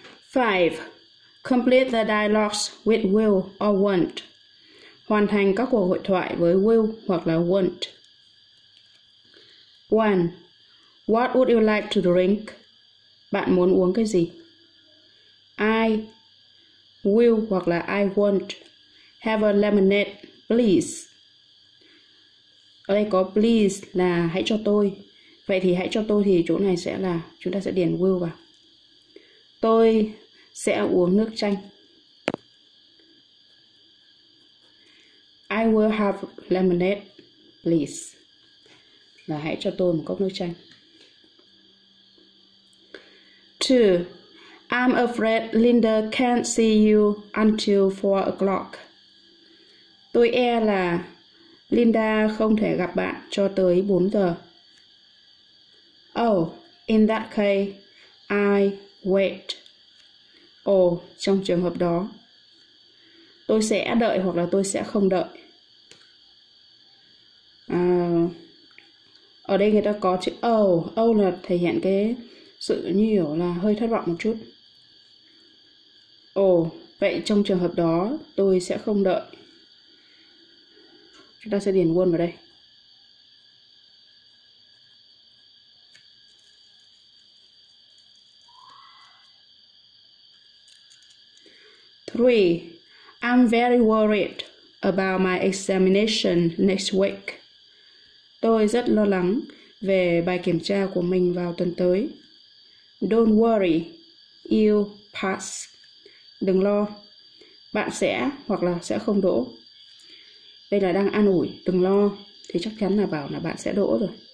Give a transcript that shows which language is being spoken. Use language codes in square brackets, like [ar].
[en] Five, complete the dialogues with will or won't. [vi] Hoàn thành các cuộc hội thoại với will hoặc là won't. [en] One, what would you like to drink? [vi] Bạn muốn uống cái gì? [en] I will [vi] hoặc là [en] I won't have a lemonade, please. [vi] Ở đây có please là hãy cho tôi. Vậy thì hãy cho tôi thì chỗ này sẽ là chúng ta sẽ điền will vào. Tôi sẽ uống nước chanh. [en] I will have lemonade, please. [vi] Là hãy cho tôi một cốc nước chanh. [en] Two, I'm afraid Linda can't see you until 4 o'clock. [vi] Tôi e là Linda không thể gặp bạn cho tới 4 giờ. [en] Oh, in that case, I wait. [vi] Ồ, trong trường hợp đó, tôi sẽ đợi hoặc là tôi sẽ không đợi. Ở đây người ta có chữ ồ, ồ là thể hiện cái sự như hiểu là hơi thất vọng một chút. Ồ, vậy trong trường hợp đó, tôi sẽ không đợi. Chúng ta sẽ điền won vào đây. [en] Three, I'm very worried about my examination next week. [vi] Tôi rất lo lắng về bài kiểm tra của mình vào tuần tới. [en] Don't worry, you'll pass. [vi] Đừng lo, bạn sẽ hoặc là sẽ không đỗ. Đây là đang an ủi, đừng lo, thì chắc chắn là bảo là bạn sẽ đỗ rồi.